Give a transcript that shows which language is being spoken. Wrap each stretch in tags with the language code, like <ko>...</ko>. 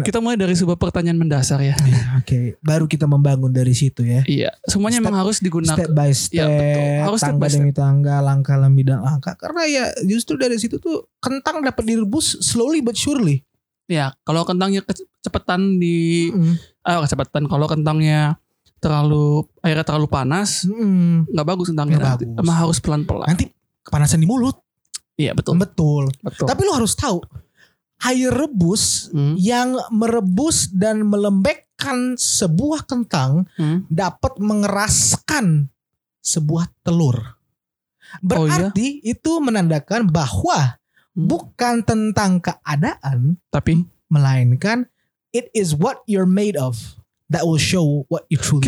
<id>Kita mulai dari sebuah pertanyaan mendasar ya.</id> <en>Okay.</en> <id>Baru kita membangun dari situ ya. Iya, semuanya memang harus digunakan.</id> <en>Step by step,</en> <id>ya, harus tangga</id> <en>step by demi step.</en> <id>Tangga, langkah demi langkah. Karena ya justru dari situ tuh kentang dapat direbus</id> <en>slowly but surely.</en> <id>Ya, kalau kentangnya kecepatan di, kecepatan kalau kentangnya terlalu, airnya terlalu panas, gak bagus kentangnya. Gak bagus. Emang harus pelan-pelan. Nanti kepanasan di mulut. Iya betul. Betul. Betul. Tapi lo harus tahu air rebus yang merebus dan melembekkan sebuah kentang dapat mengeraskan sebuah telur. Berarti itu menandakan bahwa bukan tentang keadaan, tapi</id> <en>melainkan it is what you're made of. That will show what you truly</en>